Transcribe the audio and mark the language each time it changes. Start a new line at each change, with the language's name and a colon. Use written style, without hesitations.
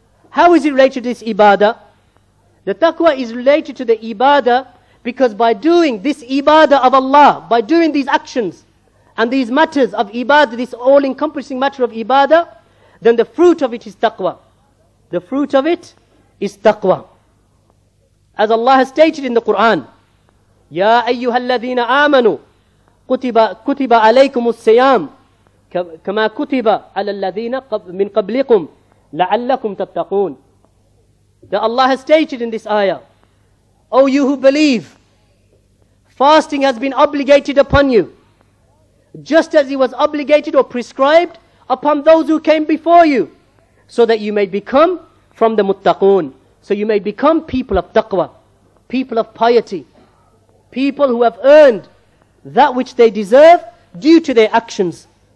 English: How is it related to this ibadah? The taqwa is related to the ibadah because by doing this ibadah of Allah, by doing these actions and these matters of ibadah, this all-encompassing matter of ibadah, then the fruit of it is taqwa. The fruit of it is taqwa. As Allah has stated in the Quran,
Arabic: يَا أَيُّهَا الَّذِينَ آمَنُوا كُتِبَ عَلَيْكُمُ السَّيَامُ كَمَا كُتِبَ عَلَى الَّذِينَ مِنْ قَبْلِكُمْ لَعَلَّكُمْ تَتَّقُونَ.
English: That Allah has stated in this ayah, O you who believe, fasting has been obligated upon you, just as it was obligated or prescribed upon those who came before you, so that you may become from the muttaqoon, so you may become people of taqwa, people of piety, people who have earned that which they deserve due to their actions.